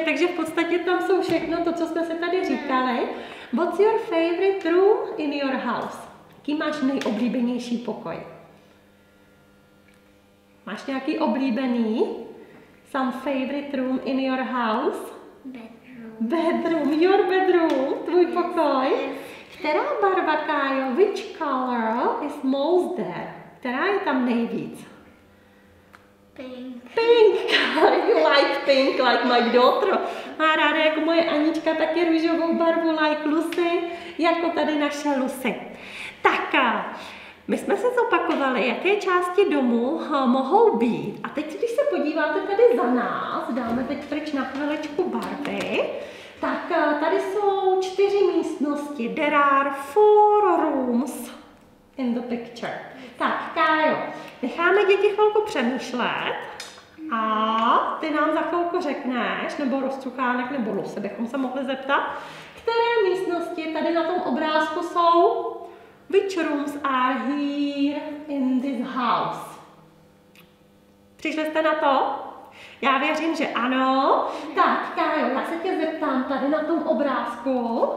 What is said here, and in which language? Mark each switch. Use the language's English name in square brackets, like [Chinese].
[Czech] Takže v podstatě tam jsou všechno to, co jsme si tady říkali. [English] What's your favorite room in your house? [Czech] Jaký máš nejoblíbenější pokoj? Máš nějaký oblíbený? [English] Some favorite room in your house? Bedroom. Bedroom, your bedroom, tvůj yes, pokoj. Yes. [Czech] Která barva, [English] Kájo, which color is most there? [Czech] Která je tam nejvíc? [English] Pink. Pink, you like pink, like my daughter. [Czech] Má ráda jako moje Anička taky růžovou barvu, [English] like Lucy, [Czech] jako tady naše Lucy. Tak. My jsme se zopakovali, jaké části domu mohou být. A teď, když se podíváte tady za nás, dáme teď pryč na chvilečku barvy, tak tady jsou čtyři místnosti. [English] There are four rooms in the picture. [Czech] Tak, Kájo, necháme děti chvilku přemýšlet a ty nám za chvilku řekneš, nebo Rozcuchánek, nebo Luce, bychom se mohli zeptat, které místnosti tady na tom obrázku jsou. [English] Which rooms are here in this house? [Czech] Přišli jste na to? Já věřím, že ano. Tak, Kájo, já se tě zeptám tady na tom obrázku.